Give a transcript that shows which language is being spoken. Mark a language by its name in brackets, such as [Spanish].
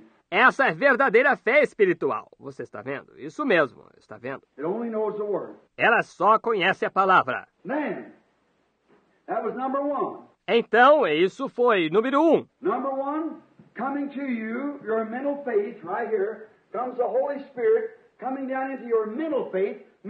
[Portuguese] Essa é verdadeira fé espiritual. Você está vendo? Isso mesmo, está vendo? [English] It only knows the word. [Portuguese] Ela só conhece a palavra. [English] Then, that was number one. [Portuguese] Então, isso foi número um. [English] Number one, coming to you, your mental faith, right here, comes the Holy Spirit coming down into your mental faith.